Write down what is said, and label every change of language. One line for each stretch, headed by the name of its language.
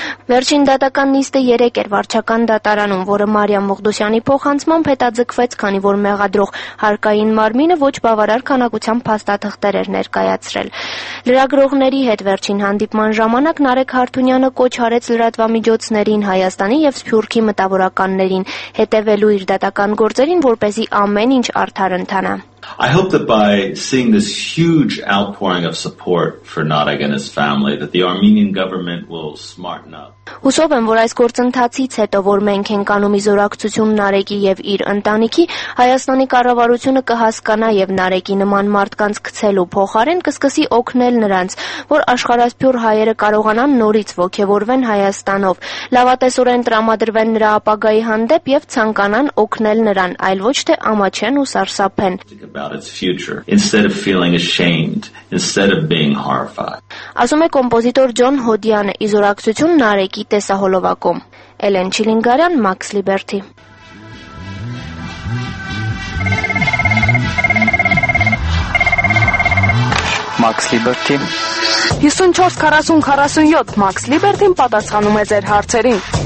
Armenian: Վերջին դատական նիստը 3 էր վարչական դատարանում, որը Մարիամ Մողդուսյանի փոխանցմամբ հետաձգվեց, քանի որ մեղադրող հարկային մարմինը ոչ բավարար քանակությամբ փաստաթղթեր էր ներկայացրել։ Լրագրողների հետ վերջին հանդիպման ժամանակ Նարեկ Հարտունյանը կոչ արեց լրատվամիջոցներին, Հայաստանի և Սփյուռքի մտավորականներին հետևելու իր դատական գործերին, որպեսզի ամեն ինչ արդար ընթանա։
English: I hope that by seeing this huge outpouring of support for Narek and his family that the Armenian government will smarten up.
Armenian: Հուսով եմ, որ այս գործընթացից հետո, որ մենք ենք անում իզորակցություն Նարեկի եւ իր ընտանիքի, Հայաստանի կառավարությունը կհասկանա եւ Նարեկի նման մարդկանց կցելու փոխարեն կսկսի օգնել նրանց, որ աշխարհասփյուռ հայերը կարողանան նորից ոգևորվեն Հայաստանով, լավատեսորեն տրամադրվեն նրա ապագայի հանդեպ եւ ցանկանան օգնել նրան, այլ ոչ թե ամաչեն ու սարսափեն։
English: About its future instead of feeling ashamed, instead of being horrified.
Armenian: Ասում է կոմպոզիտոր Ջոն Հոդյանը իզորակցություն Նարեկի տեսահոլովակում։ Էլեն Չիլինգարյան, Մաքս Լիբերթի։ Մաքս Լիբերթի 54-40-47 Մաքս Լիբերթին պատասխանում է ձեր հարցերին։